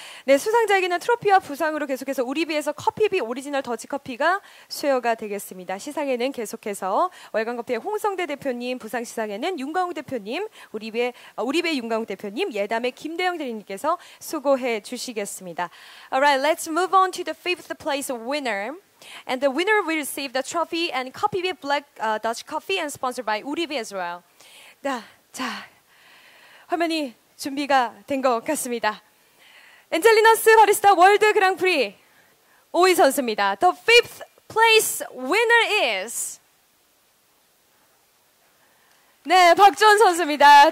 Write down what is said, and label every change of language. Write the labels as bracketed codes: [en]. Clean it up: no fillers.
[ko] 네, 수상자에게는 트로피와 부상으로 계속해서 우리비에서 커피비 오리지널 더치커피가 수여가 되겠습니다. 시상에는 계속해서 월간커피의 홍성대 대표님, 부상시상에는 윤광욱 대표님, 우리비의 윤광욱 대표님, 예담의 김대영 대리님께서 수고해 주시겠습니다. [en] Alright, let's move on to the fifth place winner. And the winner will receive the trophy and coffee with black Dutch coffee and sponsored by Uribe as well. [ko] 자, 자, 화면이 준비가 된 것 같습니다. 엔젤리너스 바리스타 월드 그랑프리 5위 선수입니다. [en] The fifth place winner is... [ko] 네, 박주원 선수입니다.